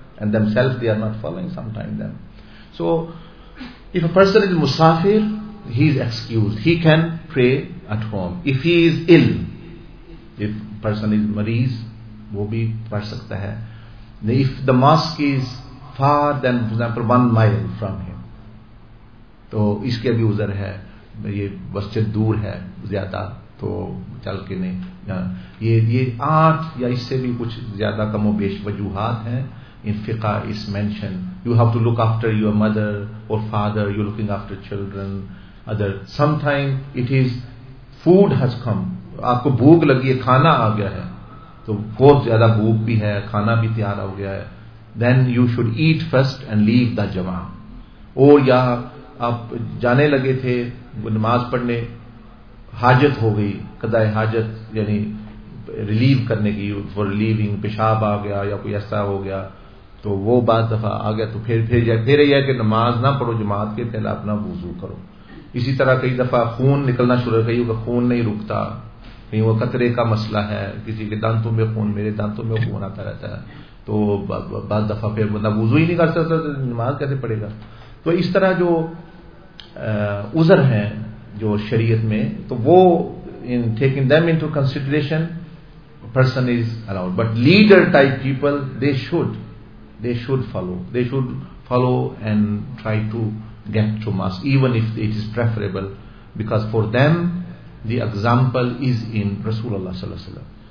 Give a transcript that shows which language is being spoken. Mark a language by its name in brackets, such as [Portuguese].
[English] And themselves, they are not following sometimes them. So, if a person is musafir, he is excused. He can pray at home. If he is ill, if person is mariz, [Urdu] wo bhi par sakta hai. [English] If the mosque is far, then for example, 1 mile from him. [Urdu] So, iske bhi uzar hai. Ye masjid dur hai, zyada. تو چل کے نہیں یہ آٹھ یا اس سے بھی کچھ زیادہ کم و بیش وجوہات ہیں ان فقہ اس mention [English] you have to look after your mother or father, you're looking after children, other sometime it is food has come, [Urdu] آپ کو بھوک لگی ہے, کھانا آ گیا ہے, تو بہت زیادہ بھوک بھی ہے, کھانا بھی تیار ہو گیا ہے, [English] then you should eat first and leave the [Urdu] جماع, اور یا آپ جانے لگے تھے نماز پڑھنے, حاجت ہو گئی, قضاء حاجت یعنی ریلیو کرنے کی, [English] for living, [Urdu] پیشاب آ گیا یا کوئی ایسا ہو گیا, تو وہ بعض دفعہ آ گیا تو پھر جائے, پھر یہ ہے کہ نماز نہ پڑھو جماعت کے, پہلے اپنا وضو کرو. اسی طرح کئی دفعہ خون نکلنا شروع ہو گئی, ہوگا خون نہیں رکتا, کہیں وہ قطرے کا مسئلہ ہے, کسی کے دانتوں میں خون, میرے دانتوں میں خون آتا رہتا ہے, تو بعض دفعہ پھر بندہ وضو ہی نہیں کر سکتا تو نماز کیسے پڑھے گا. تو اس طرح جو عذر ہیں جو شریعت میں, تو وہ [English] in taking them into consideration a person is allowed, but leader type people they should follow and try to get to mosque even if it is preferable, because for them the example is in Rasulullah sallallahu alaihi wasallam.